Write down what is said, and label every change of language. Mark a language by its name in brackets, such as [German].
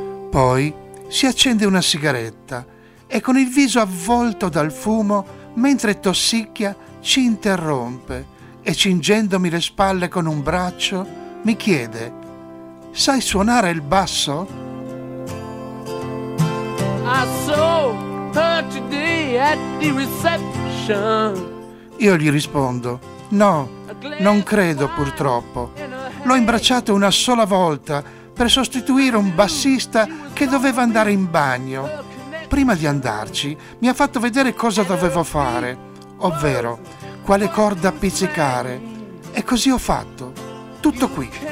[Italian] Poi si accende una sigaretta e con il viso avvolto dal fumo, mentre tossicchia, ci interrompe e cingendomi le spalle con un braccio, mi chiede: sai suonare il basso? [English] I saw her today at the reception. [Italian] Io gli rispondo: no, non credo purtroppo. L'ho imbracciato una sola volta per sostituire un bassista che doveva andare in bagno. Prima di andarci mi ha fatto vedere cosa dovevo fare, ovvero quale corda appizzicare, e così ho fatto tutto qui.